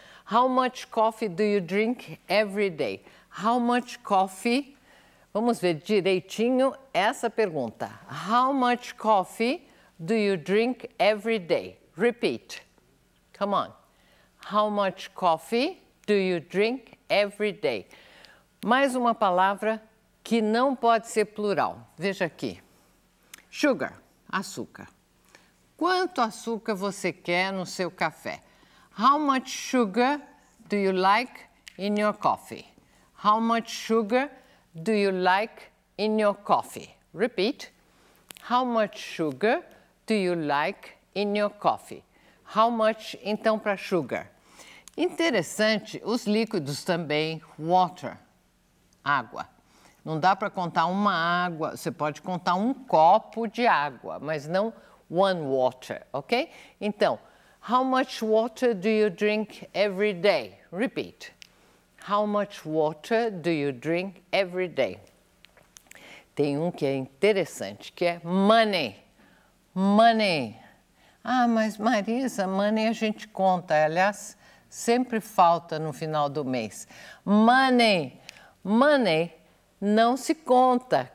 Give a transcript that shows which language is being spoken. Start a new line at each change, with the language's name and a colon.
English: How much coffee do you drink every day? How much coffee?
Portuguese: Vamos ver direitinho essa pergunta.
English: How much coffee do you drink every day? Repeat. Come on. How much coffee do you drink every day?
Portuguese: Mais uma palavra que não pode ser plural. Veja aqui. Sugar, açúcar. Quanto açúcar você quer no seu café?
English: How much sugar do you like in your coffee? How much sugar do you like in your coffee? Repeat. How much sugar do you like in your coffee? How much,
Portuguese: então, para sugar? Interessante, os líquidos também, water, água. Não dá para contar uma água, você pode contar um copo de água, mas não
English: one water,
Portuguese: ok? Então,
English: how much water do you drink every day? Repeat. How much water do you drink every day?
Portuguese: Tem um que é interessante, que é money. Money. Ah, mas Marisa, money a gente conta. Aliás, sempre falta no final do mês. Money, money não se conta.